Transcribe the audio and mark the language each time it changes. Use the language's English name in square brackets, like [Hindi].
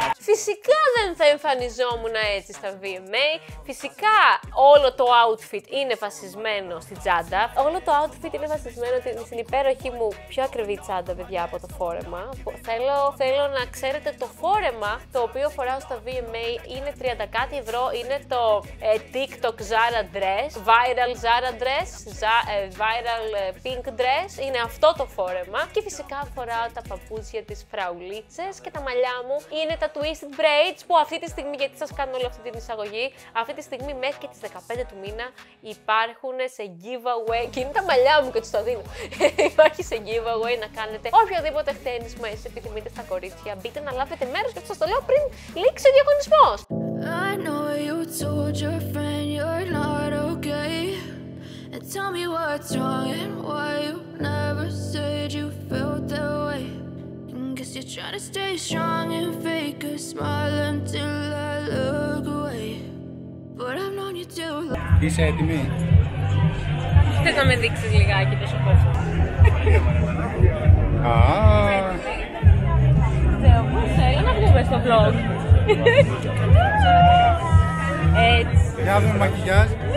[Greek] Φυσικά δεν θα εμφανιζόμουν έτσι στα VMA. Φυσικά όλο το outfit είναι βασισμένο στη τσάντα. Όλο το outfit είναι βασισμένο στην υπέροχη μου πιο ακριβή τσάντα, παιδιά, από το φόρεμα. Θέλω να ξέρετε, το φόρεμα το οποίο φοράω στα VMA είναι 30 κάτι ευρώ. Είναι το [English] TikTok Zara dress, viral Zara dress, viral pink dress. [Greek] Είναι αυτό το φόρεμα. Και φυσικά φοράω τα παπούτσια της Φραουλίτσες και τα μαλλιά μου είναι τα Twisted Braids, που αυτή τη στιγμή, γιατί σας κάνω όλη αυτή την εισαγωγή, αυτή τη στιγμή μέχρι και τις 15 του μήνα υπάρχουν σε giveaway, και είναι τα μαλλιά μου και τους τα δίνω, υπάρχει σε giveaway να κάνετε οποιοδήποτε χτένισμα εσείς επιθυμείτε στα κορίτσια, μπείτε να λάβετε μέρος και σας το λέω πριν λήξει ο διαγωνισμός. [English] I know you told your friend you're not okay. And tell me what's wrong and why you never said you felt that way. Cause you're trying to stay strong and fake a smile until I look away. But I've known you too long. [Greek] Είσαι έτοιμη? Θες να με δείξεις λιγάκι το σωπό σου? Θεό μου, θέλω να βγούμε στο vlog. Έτσι. Για να βγούμε μακιγιάζ.